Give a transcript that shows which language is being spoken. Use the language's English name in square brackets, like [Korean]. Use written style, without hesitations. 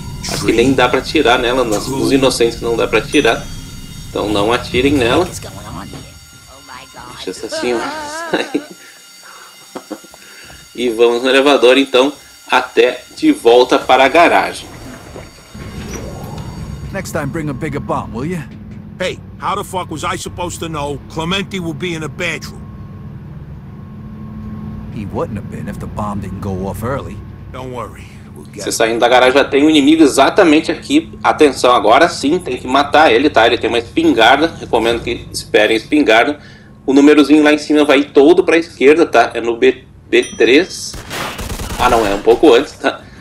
[Portuguese] Acho que nem dá para atirar nela. Os inocentes não dá para atirar. Então não atirem nela. marchas assim, mas... E vamos no elevador, então, até de volta para a garagem. [English] Next time, bring a bigger bomb, will you? Hey, how the fuck was I supposed to know Clemente would be in a bedroom? He wouldn't have been if the bomb didn't go off early. Don't worry. [Portuguese] Você saindo da garagem já tem um inimigo exatamente aqui. Atenção, agora sim, tem que matar ele, tá? Ele tem uma espingarda. Recomendo que esperem a espingarda. O númerozinho lá em cima vai todo pra esquerda, tá? É no B3. Ah, não, é um pouco antes, tá?